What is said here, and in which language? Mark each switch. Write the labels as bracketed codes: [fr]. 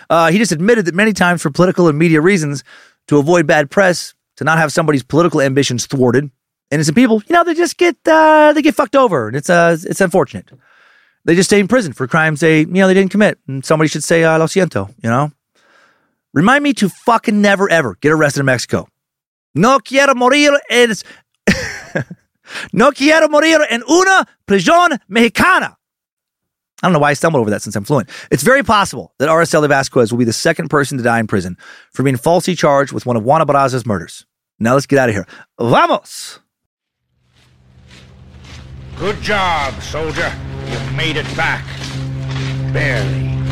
[en] He just admitted that many times for political and media reasons, to avoid bad press, to not have somebody's political ambitions thwarted, innocent people, you know, they just get they get fucked over, and it's unfortunate. They just stay in prison for crimes they didn't commit, and somebody should say, [es] lo siento, [en] you know? Remind me to fucking never, ever get arrested in Mexico. [es] No quiero morir en... no quiero morir en una prisión mexicana. [en] I don't know why I stumbled over that since I'm fluent. It's very possible that Araceli Vasquez will be the second person to die in prison for being falsely charged with one of Juana Barraza's murders. Now let's get out of here. [es] Vamos! [en] Good job, soldier. You've made it back. Barely.